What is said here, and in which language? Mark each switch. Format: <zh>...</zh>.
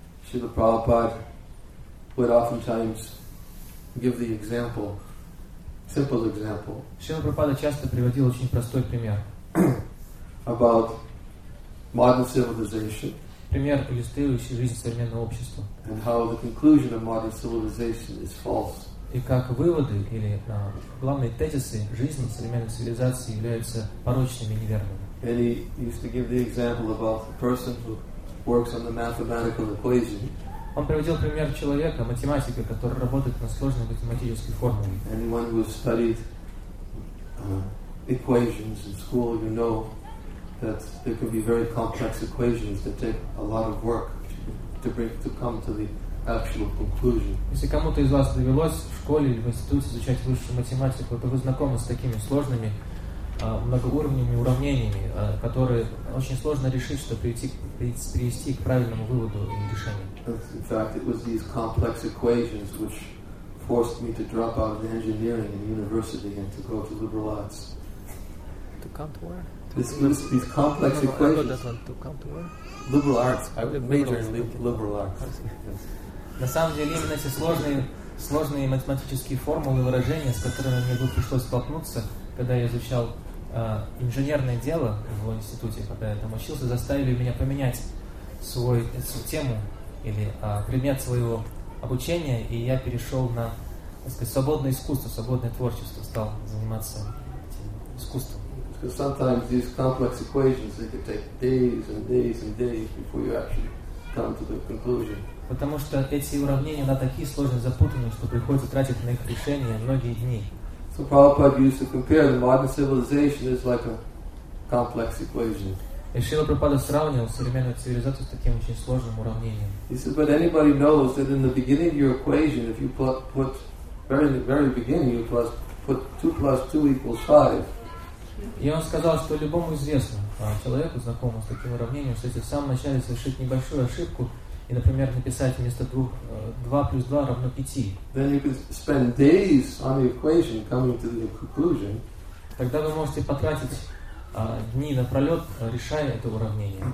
<en>Шрила Прабхупад would oftentimes give the example, simple example.</en> <ru>Шрила Прабхупада часто приводил очень простой пример.</ru> <en>About modern civilization.</en> <ru>Пример, иллюстрирующий жизнь современного общества.</ru> <en>And how the conclusion of modern civilization is false.</en> <ru>И как выводы или главные тезисы жизни современной цивилизации являются порочными и неверными.</ru> <en>And he used to give the example about the person who works on the mathematical equation.</en> <ru>Он приводил пример человека, математика, который работает на сложной математической формуле.</ru> <en>Anyone who has studied equations in school, you know that there could be very complex equations that take a lot of work to come to the actual conclusion.</en> <ru>Если кому-то из вас довелось в школе или в институте изучать высшую математику, то вы знакомы с такими сложными многоуровневыми уравнениями, которые очень сложно решить, чтобы привести к правильному выводу и решению.</ru> <en>In fact, it was these complex equations which forced me to drop out of engineering in university and to go to liberal arts. To come to where? These complex equations. To come to where? Liberal arts. I would major in liberal arts.</en> <ru>На самом деле именно эти сложные математические формулы и выражения, с которыми мне пришлось столкнуться, когда я изучал инженерное дело в институте, когда я там учился, заставили меня поменять свою тему или предмет своего обучения, и я перешел на, так сказать, свободное искусство, свободное творчество, стал заниматься искусством.</ru> <en>Because sometimes these complex equations, they can take days and days and days before you actually come to the conclusion.</en> <ru>Потому что эти уравнения, они такие сложные, запутанные, что приходится тратить на их решение многие дни.</ru> <en>So Prabhupada used to compare the modern civilization is like a complex equation.</en> <ru>И Шрила Прабхупада сравнивал современную цивилизацию с таким очень сложным уравнением.</ru> <en>He said, but anybody knows that in the beginning of your equation, if you put very beginning, you put 2 + 2 = 5.</en> <ru>И он сказал, что любому известному человеку, знакомому с таким уравнением, что если в самом начале совершить небольшую ошибку и, например, написать вместо 2 + 2 = 5,</ru> <en>then you could spend days on the equation coming to the conclusion.</en> <ru>Тогда вы можете потратить дни напролет, решая это уравнение.</ru>